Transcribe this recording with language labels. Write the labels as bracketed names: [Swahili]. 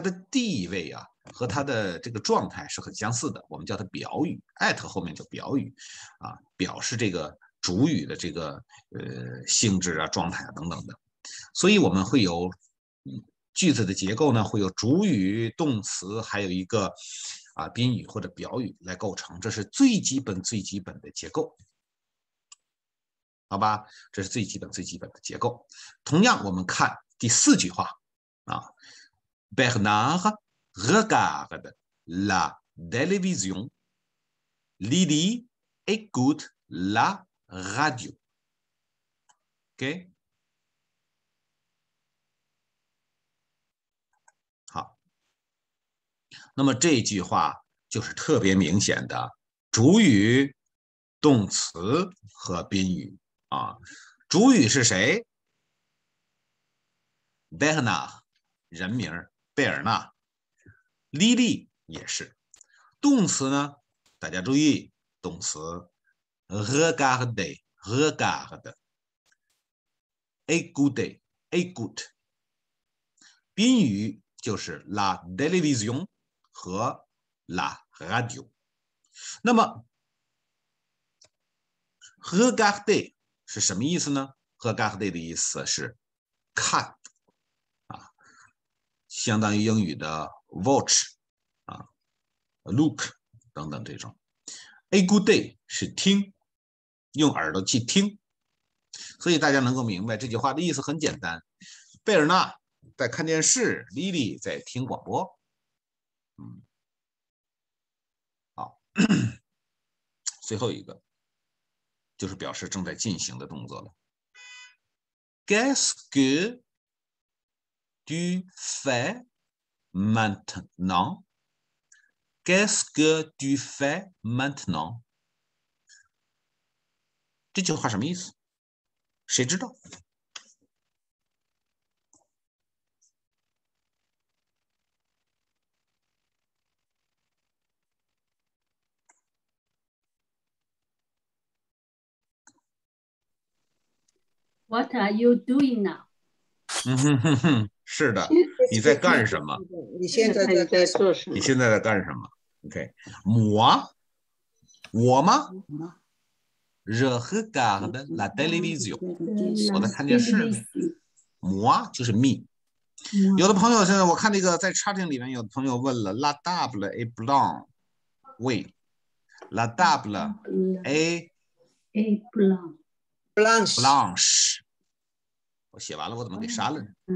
[Chinese] 地位啊和它的这个状态是很相似的，我们叫它表语 ，at 后面叫表语，啊，表示这个主语的这个性质啊、状态啊等等的，所以我们会有句子的结构呢，会有主语、动词，还有一个宾语或者表语来构成，这是最基本最基本的结构。好吧，这是最基本最基本的结构。同样我们看第四句话啊， [French] Bernard regarde la télévision, Lily écoute la radio. [Chinese] OK， 好，那么这句话就是特别明显的主语、动词和宾语啊，主语是谁？贝尔纳，人名贝尔纳，莉莉也是。动词呢？大家注意，动词 regarde，regarde，écoute，écoute。宾语就是 la télévision 和 la radio。那么 regarde。是什么意思呢？和 regarder 的意思是看，啊，相当于英语的 watch， 啊 ，look 等等这种。A good day 是听，用耳朵去听。所以大家能够明白这句话的意思很简单，贝尔纳在看电视，莉莉在听广播。嗯，好，最后一个就是表示正在进行的动作了。 [French] Qu'est-ce que tu fais maintenant? Qu'est-ce que tu fais maintenant? [Chinese] 这句话什么意思？谁知道？ [English] What are you doing now? [Chinese] 是的，你在干什么？你现在在做什么？你现在在干什么 ？OK， 我吗 ？ [French] Je regarde la télévision。 [Chinese] 我在看电视。Moi 就是 me。有的朋友现在我看那个在 chatting 里面，有的朋友问了 ： [French] La table est blanc. Oui. La table est blanc. Blanche. [Chinese] 我写完了，我怎么给删了呢